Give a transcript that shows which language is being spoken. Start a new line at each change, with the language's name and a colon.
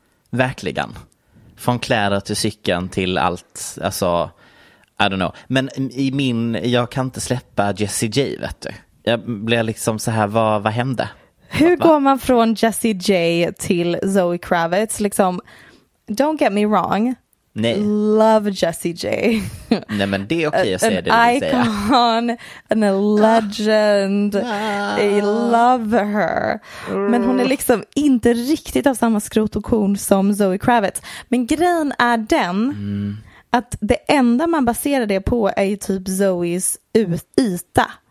Swedish: Verkligen. Från kläder till cykeln till allt. Alltså,
English: I don't know.
Swedish: Men i min, jag kan inte släppa Jessie J, vet du. Jag blev liksom så här, vad hände? Hur går man från Jessie J till Zoe Kravitz? Liksom,
English: don't get me wrong.
Swedish: Nej.
English: Love Jessie J.
Swedish: Nej, men det är okej att säga det.
English: Icon, and a legend. I love her.
Swedish: Men hon är liksom inte riktigt av samma skrot och korn som Zoe Kravitz. Men grejen är den att det enda man baserar det på är typ Zoes yta.